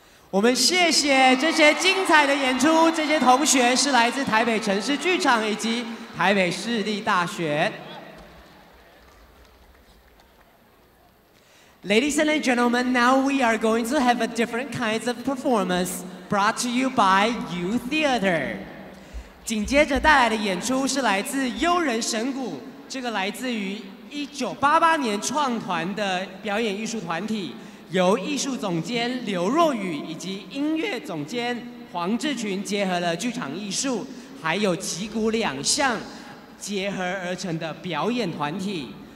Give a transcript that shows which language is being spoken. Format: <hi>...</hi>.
<zh>我们谢谢这些精彩的演出，这些同学是来自台北城市剧场以及台北市立大学。</zh> <en>Ladies and gentlemen, now we are going to have a different kinds of performance brought to you by You Theater.</en> <zh>紧接着带来的演出是来自悠人神谷，这个来自于1988年创团的表演艺术团体，由艺术总监刘若雨以及音乐总监黄志群结合了剧场艺术还有击鼓两项结合而成的表演团体。</zh>